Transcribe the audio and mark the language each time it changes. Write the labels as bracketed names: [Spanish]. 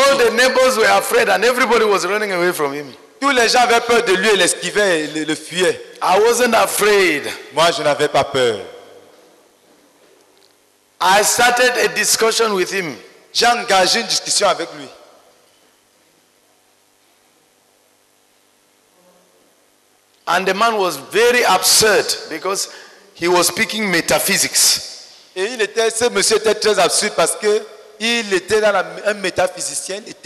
[English] All the neighbors were afraid and everybody was running away from him. [French] Tous les gens avaient peur de lui et l'esquivaient et le fuyaient. [English] I wasn't afraid. [French] Moi, je n'avais pas peur. [English] I started a discussion with him. [French] J'ai engagé une discussion avec lui. [English] And the man was very upset because he was speaking metaphysics. [French] Et il était, ce monsieur était très absurde parce qu'il était dans un métaphysicien.